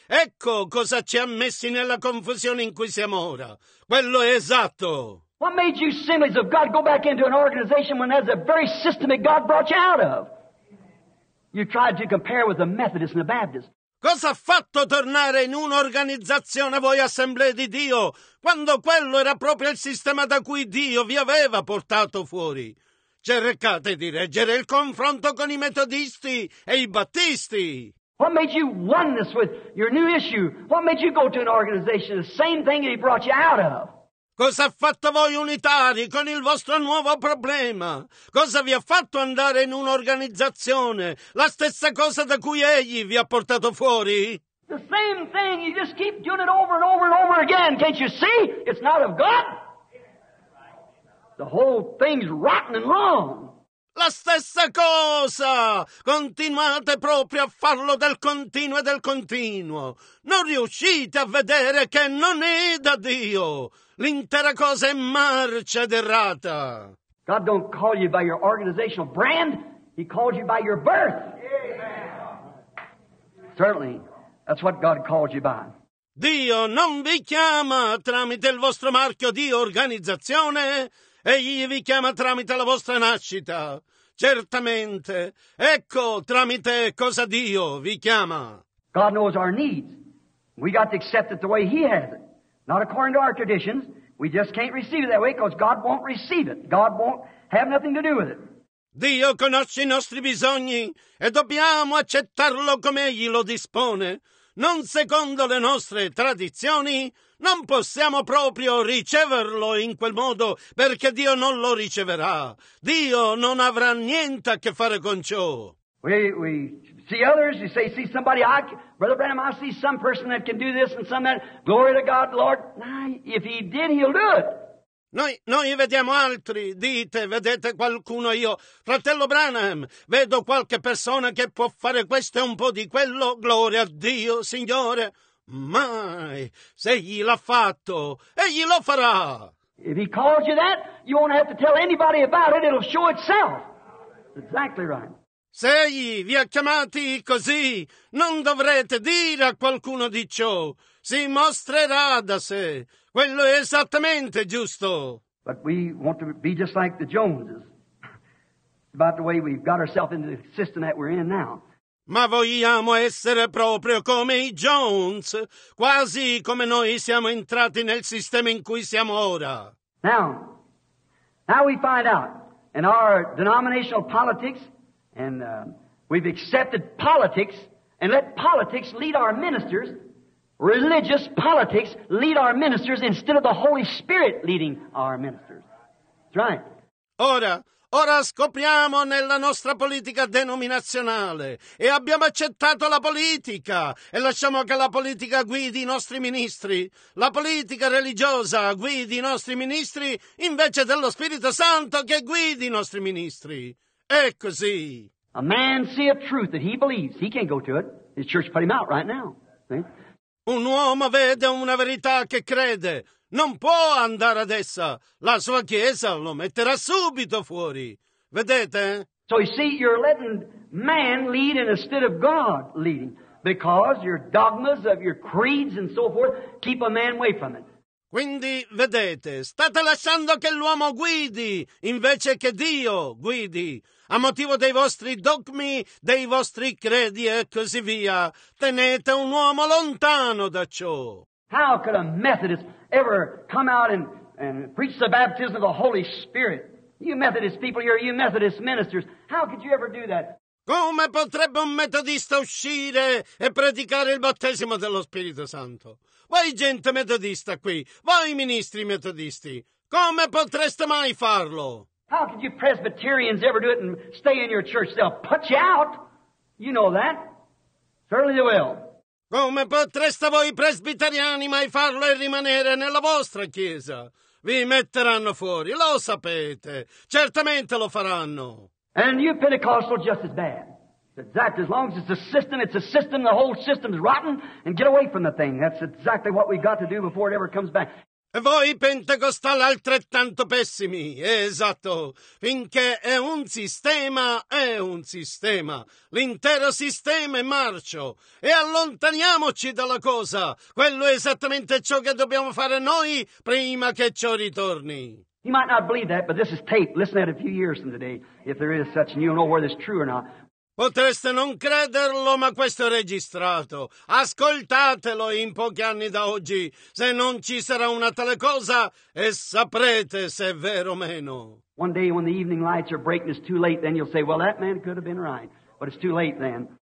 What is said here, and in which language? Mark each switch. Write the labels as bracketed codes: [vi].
[it] Ecco cosa ci ha messi nella confusione in cui siamo ora. Quello è esatto. [en] What made you assemblies of God go back into an organization when that's the very system that God brought you out of? You tried to compare with the Methodists and the Baptists. [it] Cosa ha fatto tornare in un'organizzazione voi assemblee di Dio quando quello era proprio il sistema da cui Dio vi aveva portato fuori? Cercate di reggere il confronto con i metodisti e i battisti. [en] What made you oneness with your new issue? What made you go to an organization, the same thing that he brought you out of? [it] Cosa ha fatto voi unitari con il vostro nuovo problema? Cosa vi ha fatto andare in un'organizzazione, la stessa cosa da cui egli vi ha portato fuori? [en] The same thing, you just keep doing it over and over and over again, can't you see? It's not of God. The whole thing's rotten and wrong. [it] La stessa cosa! Continuate proprio a farlo del continuo e del continuo. Non riuscite a vedere che non è da Dio. L'intera cosa è marcia ed errata. [en] God don't call you by your organizational brand. He calls you by your birth. Amen. Certainly, that's what God calls you by. [it] Dio non vi chiama tramite il vostro marchio di organizzazione. Egli vi chiama tramite la vostra nascita. Certamente. Ecco tramite cosa Dio vi chiama. [en] God knows our needs. We got to accept it the way He has it. Not according to our traditions. We just can't receive it that way because God won't receive it. God won't have nothing to do with it. [it] Dio conosce i nostri bisogni e dobbiamo accettarlo come Egli lo dispone. Non secondo le nostre tradizioni. Non possiamo proprio riceverlo in quel modo perché Dio non lo riceverà. Dio non avrà niente a che fare con ciò. [en] We see others, you say, see somebody, Brother Branham, I see some person that can do this and some that. Glory to God, Lord. If he did, he'll do it. [it] Noi vediamo altri, dite, vedete qualcuno io. Fratello Branham, vedo qualche persona che può fare questo e un po' di quello. Gloria a Dio, Signore. Mai, se egli l'ha fatto, egli lo farà. [en] If he calls you that, you won't have to tell anybody about it, it'll show itself. Exactly right. [it] Se egli vi ha chiamati così, non dovrete dire a qualcuno di ciò. Si mostrerà da sé. Quello è esattamente giusto. [en] But we want to be just like the Joneses, about the way we've got ourselves into the system that we're in now. [it] Ma vogliamo essere proprio come i Jones, quasi come noi siamo entrati nel sistema in cui siamo ora. [en] Now we find out in our denominational politics, and we've accepted politics and let politics lead our ministers. Religious politics lead our ministers instead of the Holy Spirit leading our ministers. That's right. [it] Ora scopriamo nella nostra politica denominazionale e abbiamo accettato la politica e lasciamo che la politica guidi i nostri ministri. La politica religiosa guidi i nostri ministri invece dello Spirito Santo che guidi i nostri ministri. È così. [en] A man see a truth that he believes. He can't go to it. His church put him out right now. [it] Un uomo vede una verità che crede. Non può andare ad essa. La sua chiesa lo metterà subito fuori. Vedete? [en] So you see, you're letting man lead instead of God leading. Because your dogmas of your creeds and so forth keep a man away from it. [it] Quindi, vedete, state lasciando che l'uomo guidi invece che Dio guidi. A motivo dei vostri dogmi, dei vostri credi e così via. Tenete un uomo lontano da ciò. [en] How could a Methodist ever come out and preach the baptism of the Holy Spirit? You Methodist people, you Methodist ministers, how could you ever do that? [it] Come potrebbe un metodista uscire e predicare il battesimo dello Spirito Santo? Voi gente metodista qui, voi ministri metodisti, come potreste mai farlo? [en] How could you Presbyterians ever do it and stay in your church? They'll put you out. You know that. Certainly they will. [it] Come potreste voi presbiteriani mai farlo e rimanere nella vostra chiesa? Vi metteranno fuori, lo sapete. Certamente lo faranno. [en] And you Pentecostal just as bad. Exactly. As long as it's a system, it's a system. The whole system's rotten. And get away from the thing. That's exactly what we've got to do before it ever comes back. [it] E voi pentecostali altrettanto pessimi. Esatto. Finché è un sistema, è un sistema. L'intero sistema è marcio. E allontaniamoci dalla cosa. Quello è esattamente ciò che dobbiamo fare noi prima che ciò ritorni. [en] You might not believe that, but this is tape. Listen to it a few years from today, if there is such, and you don't know whether it's true or not. [it] Potreste non crederlo, ma questo è registrato. Ascoltatelo in pochi anni da oggi. Se non ci sarà una tale cosa, e saprete se è vero o meno. [en] One day when the evening lights are breaking, it's too late, then you'll say, well, that man could have been right, but it's too late then.